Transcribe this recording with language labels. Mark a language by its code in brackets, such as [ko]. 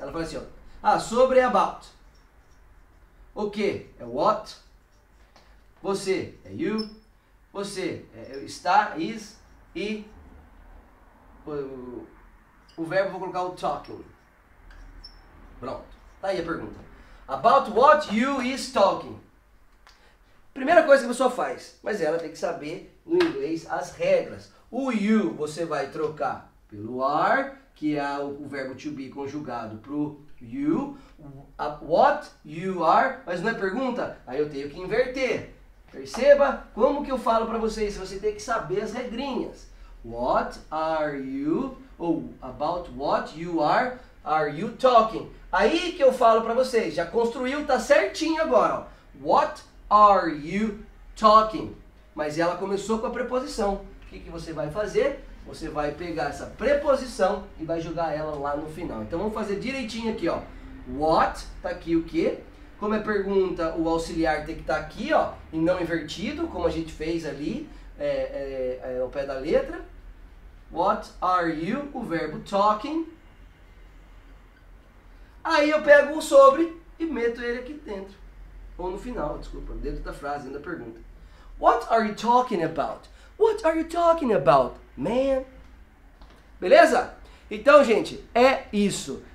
[pt] Ela fala assim, ó. Ah, sobre e about. O que é what? Você é you. Você é está, is, e o verbo, vou colocar o talking. Pronto. Tá aí a pergunta. [en] About what you is talking. [pt] Primeira coisa que a pessoa faz, mas ela tem que saber no inglês as regras. O you você vai trocar pelo are, que é o verbo to be conjugado para o you, what you are, mas não é pergunta? Aí eu tenho que inverter. Perceba como que eu falo para vocês, você tem que saber as regrinhas. [en] What are you, [pt] ou [en] about what you are you talking? [pt] Aí que eu falo para vocês, já construiu, tá certinho agora. Ó. [en] What are you talking? [pt] Mas ela começou com a preposição. O que que você vai fazer? Você vai pegar essa preposição e vai jogar ela lá no final. Então vamos fazer direitinho aqui, ó. What, tá aqui o quê? Como é pergunta, o auxiliar tem que estar aqui, ó, e não invertido, como a gente fez ali, ao pé da letra. [en] What are you, [pt] o verbo [en] talking. [pt] Aí eu pego o sobre e meto ele aqui dentro. Ou no final, desculpa, dentro da frase, dentro da pergunta. [en] What are you talking about? What are you talking about, man? [pt] Beleza? Então, gente, é isso.